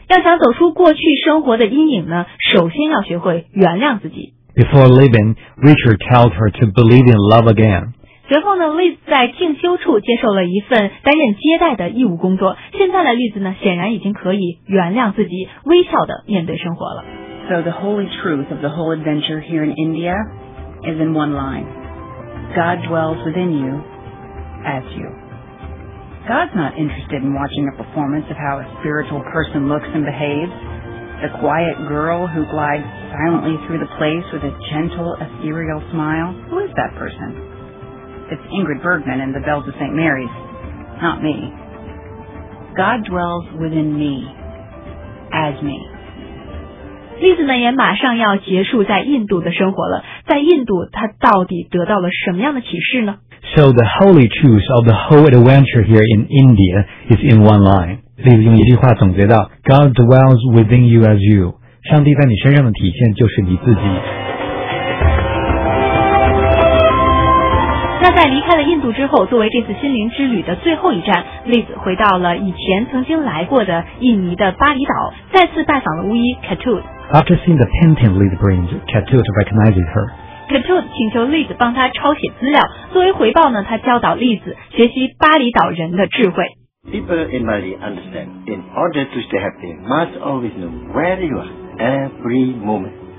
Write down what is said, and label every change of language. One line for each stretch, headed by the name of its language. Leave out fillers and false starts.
Chinese: 要想走出过去生活的阴影呢，首先要学会原谅自己。
English: Before leaving, Richard tells her to believe in love again.
Chinese: 随后呢 ，Liz 在静修处接受了一份担任接待的义务工作。现在的 Liz 呢，显然已经可以原谅自己，微笑的面对生活了。
English: So the holy truth of the whole adventure here in India is in one line: God dwells within you, as you. God's not interested in watching a performance of how a spiritual person looks and behaves. The quiet girl who glides silently through the place with a gentle, ethereal smile. Who is that person? It's Ingrid Bergman in The Bells of St. Mary's, not me. God dwells within me, as me.
Chinese: 丽子呢也马上要结束在印度的生活了，在印度她到底得到了什么样的启示呢？
English: So the holy truth of the whole adventure here in India is in one line. 丽子
Chinese: 用一句话总结到，
English: God dwells within you as you.
Chinese: 上帝在你身上的体现就是你自己。那在离开了印度之后，作为这次心灵之旅的最后一站，丽子回到了以前曾经来过的印尼的巴厘岛，再次拜访了巫医 Katut。
English: After seeing the painting Liz brings, Katut recognizes her.
Chinese: Katut 请求 Liz 帮他抄写资料，作为回报呢，他教导 Liz 学习巴厘岛人的智慧。
English: People in Bali understand, in order to stay happy, must always know where you are every moment.